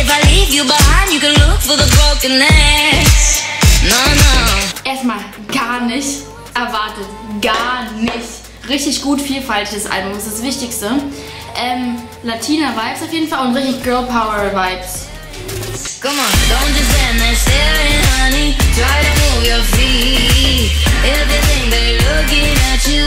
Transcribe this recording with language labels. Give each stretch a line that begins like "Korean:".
English: If I leave you behind, you can look for the brokenness. No, no.
German: Erstmal gar nicht erwartet. Gar nicht. Richtig gut vielfältiges Album, das ist das Wichtigste. Latina Vibes auf jeden Fall und richtig Girl Power Vibes.
English: Come on, don't just stand there staring, honey. Try to move your feet. If you think they're looking at